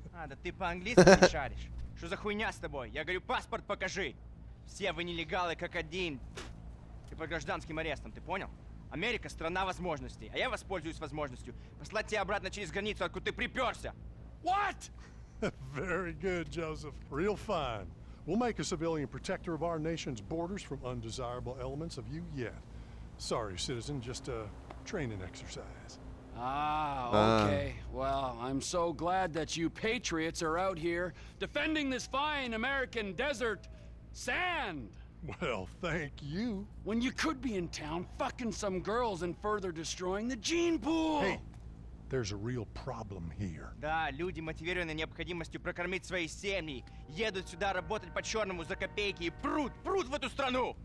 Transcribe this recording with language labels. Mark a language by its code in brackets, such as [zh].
[ru] А, да ты по-английски не шаришь? Что за хуйня с тобой? Я говорю, паспорт покажи. Все вы нелегалы как один. Ты под гражданским арестом, ты понял? Америка — страна возможностей, а я воспользуюсь возможностью послать тебя обратно через границу, откуда ты припёрся. [en] What? Very good, Joseph. Real fine. We'll make a civilian protector of our nation's borders from undesirable elements of you yet. Sorry, citizen, just a training exercise. Ah, okay. Well, I'm so glad that you patriots are out here defending this fine American desert sand. Well, thank you. When you could be in town fucking some girls and further destroying the gene pool. Hey, there's a real problem here. [ru] Да, люди, мотивированные необходимостью прокормить свои семьи, едут сюда работать по черному за копейки и прут в эту страну.